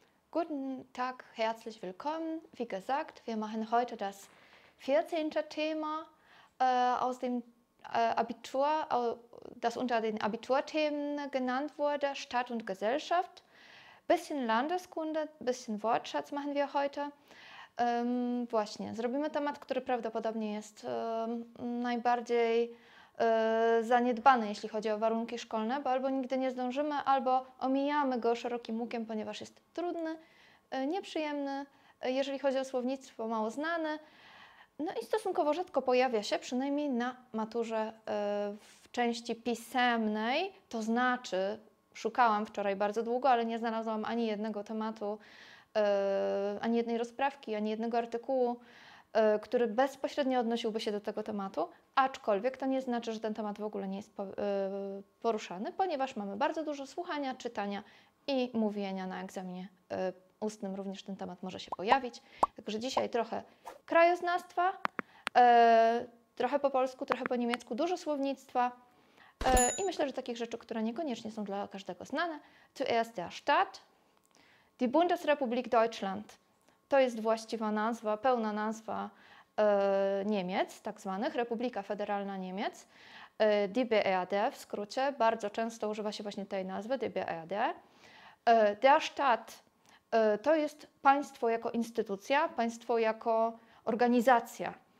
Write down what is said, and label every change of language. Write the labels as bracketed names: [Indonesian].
[German] Guten Tag, herzlich willkommen. Wie gesagt, wir machen heute das 14. Thema aus dem Abitur, das unter den Abiturthemen genannt wurde, Stadt und Gesellschaft. Bisschen Landeskunde, bisschen Wortschatz machen wir heute. [Polish] Właśnie, zrobimy temat, który prawdopodobnie jest najbardziej zaniedbany, jeśli chodzi o warunki szkolne, bo albo nigdy nie zdążymy, albo omijamy go szerokim łukiem, ponieważ jest trudny, nieprzyjemny, jeżeli chodzi o słownictwo, mało znany. No i stosunkowo rzadko pojawia się, przynajmniej na maturze w części pisemnej, to znaczy szukałam wczoraj bardzo długo, ale nie znalazłam ani jednego tematu, ani jednej rozprawki, ani jednego artykułu, który bezpośrednio odnosiłby się do tego tematu, aczkolwiek to nie znaczy, że ten temat w ogóle nie jest poruszany, ponieważ mamy bardzo dużo słuchania, czytania i mówienia na egzaminie ustnym, również ten temat może się pojawić. Także dzisiaj trochę krajoznawstwa, trochę po polsku, trochę po niemiecku, dużo słownictwa i myślę, że takich rzeczy, które niekoniecznie są dla każdego znane. [German] Zuerst der Stadt, die Bundesrepublik Deutschland. [Polish] To jest właściwa nazwa, pełna nazwa Niemiec, tak zwanych, Republika Federalna Niemiec, DBRD w skrócie, bardzo często używa się właśnie tej nazwy, DBRD. Der Staat to jest państwo jako instytucja, państwo jako organizacja.